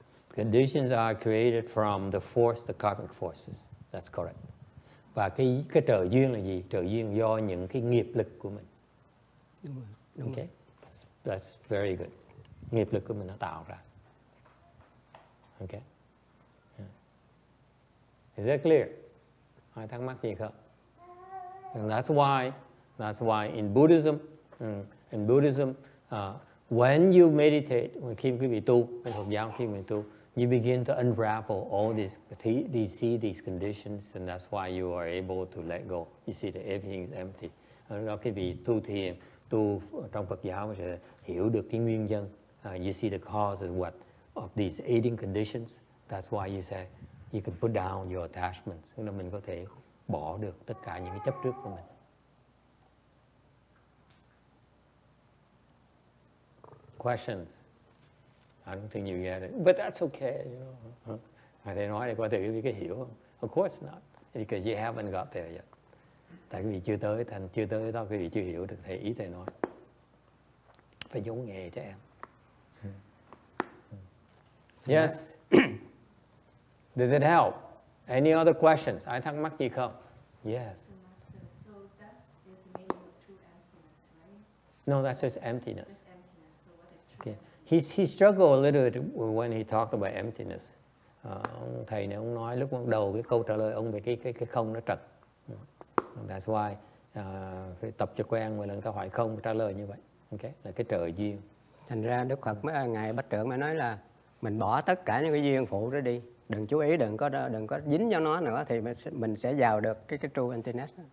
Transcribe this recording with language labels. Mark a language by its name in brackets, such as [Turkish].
[English] Conditions are created from the force, the karmic forces. That's correct. [Vietnamese] Và cái trợ duyên là gì? Trợ duyên do những cái nghiệp lực của mình. Đúng rồi. [English] Okay. That's very good. [Vietnamese] Nghiệp lực của mình nó tạo ra. [English] Okay. Yeah. Is that clear? [Vietnamese] Ai thắc mắc gì không? [English] And that's why in Buddhism, when you meditate, when [Vietnamese] khi quý vị tu, mình học giáo khi mình tu, [English] you begin to unravel all these conditions, and that's why you are able to let go. You see that everything is empty. [Vietnamese] Đó khi vị tu thiền, tu trong Phật giáo sẽ hiểu được cái nguyên nhân. [English] You see the cause of what of these 18 conditions. That's why you say you can put down your attachments. [Vietnamese] Tức là mình có thể bỏ được tất cả những cái chấp trước của mình. [English] Questions? I don't think you get it. But that's okay, you know. Huh? [Vietnamese] Thầy nói thì có thể quý vị có hiểu không? [English] Of course not. Because you haven't got there yet. [Vietnamese] Tại quý vị chưa tới, thành chưa tới đó, quý vị chưa hiểu được thầy ý thầy nói. Phải giống nghề cho em. [English] Yes. Does it help? Any other questions? [Vietnamese] Ai thắc mắc gì không? [English] Yes. So that is the meaning of true emptiness, right? No, that's just emptiness. He struggled a little bit when he talked about emptiness. [Vietnamese] Thầy này ông nói lúc đầu cái câu trả lời ông về cái không nó trật. [English] That's why [Vietnamese] phải tập cho quen mỗi lần câu hỏi không trả lời như vậy. Okay, là cái trợ duyên. Thành ra Đức Phật mấy ngày bắt trưởng mới nói là mình bỏ tất cả những cái duyên phụ đó đi, đừng chú ý, đừng có dính vào nó nữa thì mình sẽ vào được cái true emptiness.